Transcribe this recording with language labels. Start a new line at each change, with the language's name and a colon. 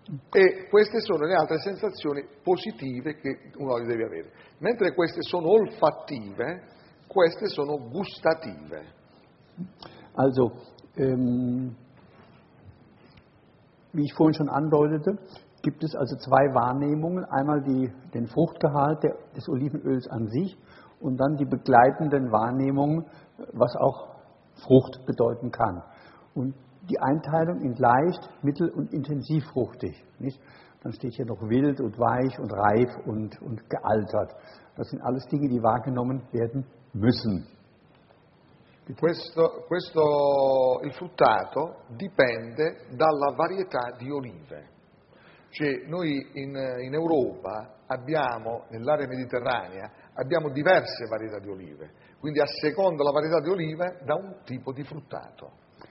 Italian: E queste sono le altre sensazioni positive che un olio deve avere. Mentre queste sono olfattive, queste sono gustative.
German: Also, wie ich vorhin schon andeutete, gibt es also zwei Wahrnehmungen. Einmal den Fruchtgehalt des Olivenöls an sich und dann die begleitenden Wahrnehmungen, was auch Frucht bedeuten kann. Und die Einteilung in leicht, mittel- und intensivfruchtig. Nicht? Dann steht hier noch wild und weich und reif und gealtert. Das sind alles Dinge, die wahrgenommen werden müssen.
Italian: Il fruttato dipende dalla varietà di olive. Cioè, noi in Europa abbiamo, nell'area mediterranea, abbiamo diverse varietà di olive. Quindi a seconda la varietà di olive dà un tipo di fruttato.